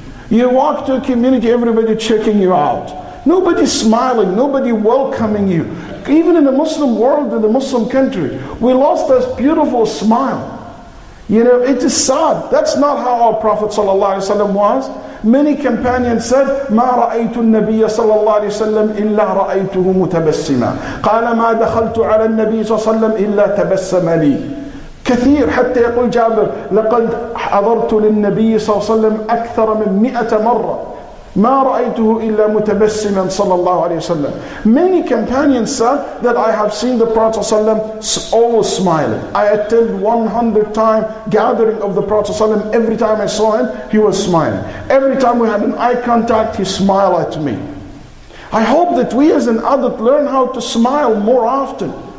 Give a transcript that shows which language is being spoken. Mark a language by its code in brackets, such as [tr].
[en] You walk to a community, everybody checking you out. Nobody's smiling, nobody welcoming you. Even in the Muslim world, in the Muslim country, we lost this beautiful smile. You know, it is sad. That's not how our Prophet ﷺ was. Many companions said, [ar] مَا رَأَيْتُ النَّبِيَّ صَلَّى اللَّهُ عَلَيْهِ وَسَلَّمْ إِلَّا رَأَيْتُهُ مُتَبَسِّمًا قَالَ مَا دَخَلْتُ عَلَى النَّبِيَّ صَلَّى اللَّهُ عَلَيْهِ وَسَلَّمْ إِلَّا تَبَسَّمَ لِي كثير. حتى يقول جابر لقد حضرت للنبي صلى الله عليه وسلم أكثر من 100 مرة ما رأيته إلا متبسما صلى الله عليه وسلم. [en] Many companions said that I have seen the Prophet صلى الله عليه وسلم always smiling. I attended 100 times gathering of the Prophet صلى الله عليه وسلم. Every time I saw him, he was smiling. Every time we had an eye contact, he smiled at me. I hope that we as an adult learn how to smile more often.